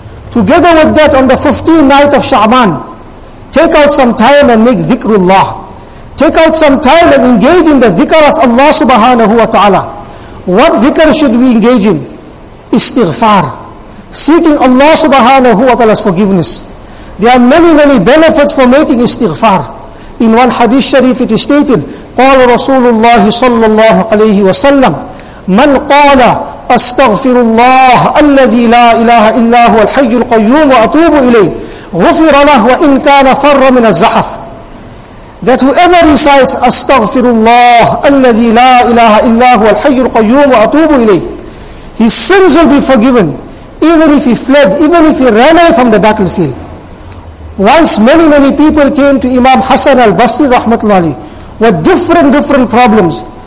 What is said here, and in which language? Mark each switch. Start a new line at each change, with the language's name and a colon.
English: Together with that, on the 15th night of Sha'ban, take out some time and make dhikrullah. Take out some time and engage in the dhikr of Allah subhanahu wa ta'ala. What dhikr should we engage in? Istighfar. Seeking Allah subhanahu wa ta'ala's forgiveness. There are many, many benefits for making istighfar. In one hadith sharif it is stated,
Arabic: قَالَ رَسُولُ اللَّهِ صَلَّى اللَّهُ عَلَيْهِ وَسَلَّمُ مَنْ قَالَ أَسْتَغْفِرُ اللَّهَ الَّذِي لَا إِلَهَ إِلَّا هُوَ الْحَيُّ الْقَيُّومُ وَأَتُوبُ إِلَيْهِ غُفِرَ لَهُ وَإِنْ كَانَ فَرَّ مِنَ الزَّحَفِ.
English: That whoever recites
Arabic: أَسْتَغْفِرُ اللَّهَ الَّذِي لَا إِلَهَ إِلَّا هُوَ الْحَيُّ الْقَيُّومُ وَأَتُوبُ إِلَيْهِ,
English: his sins will be forgiven, even if he fled, even if he ran away from the battlefield. Once many, many people came to Imam Hassan al-Basri rahmatullahi with different problems.